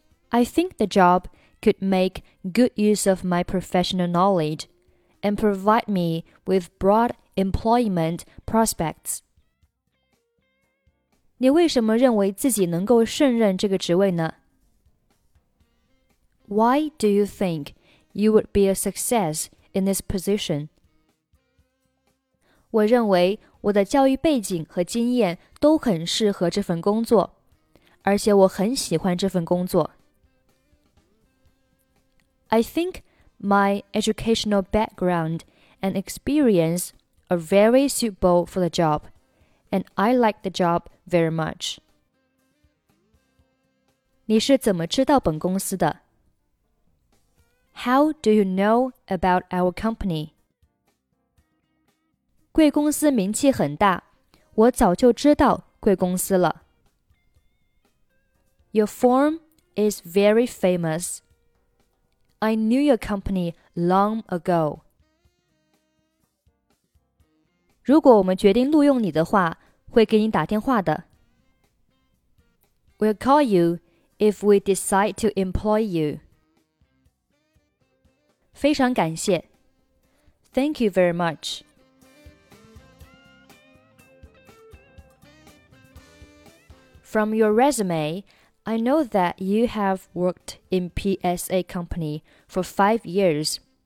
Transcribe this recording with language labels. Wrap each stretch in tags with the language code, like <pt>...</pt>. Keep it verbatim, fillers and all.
<en>I think the job could make good use of my professional knowledge. And provide me with broad employment prospects.</en> <zh>你为什么认为自己能够胜任这个职位呢？</zh> <en>Why do you think you would be a success in this position?</en> <zh>我认为我的教育背景和经验都很适合这份工作，而且我很喜欢这份工作。</zh> <en>I think. My educational background and experience are very suitable for the job, and I like the job very much.</en> <zh>你是怎么知道本公司的？</zh> <en>How do you know about our company?</en> <zh>贵公司名气很大，我早就知道贵公司了。</zh> <en>Your firm is very famous. I knew your company long ago.</en> <zh>如果我们决定录用你的话，会给你打电话的。</zh> <en>We'll call you if we decide to employ you.</en> <zh>非常感谢。</zh> <en>Thank you very much. From your resume, I know that you have worked in P S A company for five years.</en>